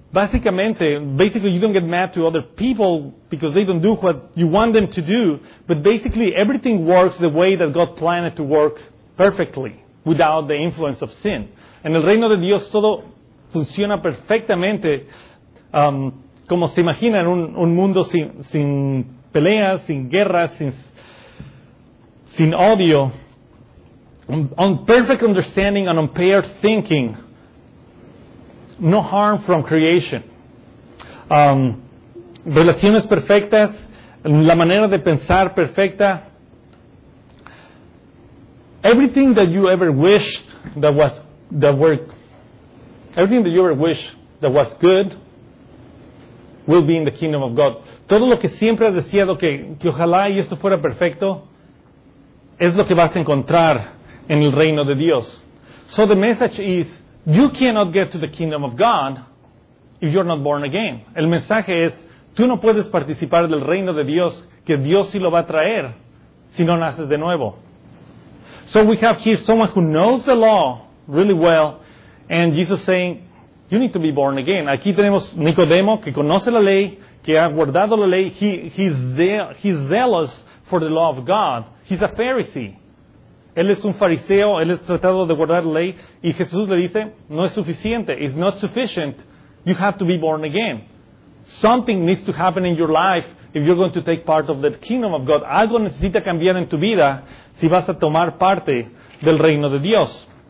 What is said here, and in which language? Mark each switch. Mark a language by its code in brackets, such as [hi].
[en] Basically, you don't get mad to other people because they don't do what you want them to do. But basically, everything works the way that God planned it to work perfectly without the influence of sin. [es] En el reino de Dios, todo funciona perfectamente, como se imagina, en un mundo sin peleas, sin guerras, sin odio. [en] On perfect understanding and unimpaired thinking, no harm from creation. [es] Relaciones perfectas, la manera de pensar perfecta. [en] Everything that you ever wished everything that you ever wish that was good will be in the kingdom of God. [es] Todo lo que siempre has deseado que ojalá y esto fuera perfecto es lo que vas a encontrar en el reino de Dios. [en] So the message is, you cannot get to the kingdom of God if you're not born again. [es] El mensaje es, tú no puedes participar del reino de Dios, que Dios sí lo va a traer si no naces de nuevo. [en] So we have here someone who knows the law really well, and Jesus saying, you need to be born again. [es] Aquí tenemos Nicodemo, que conoce la ley, que ha guardado la ley. [en] He's zealous for the law of God. He's a Pharisee. [es] Él es un fariseo, él es tratado de guardar la ley. Y Jesús le dice, no es suficiente. [en] It's not sufficient. You have to be born again. Something needs to happen in your life if you're going to take part of the kingdom of God. [es] Algo necesita cambiar en tu vida si vas a tomar parte del reino de Dios.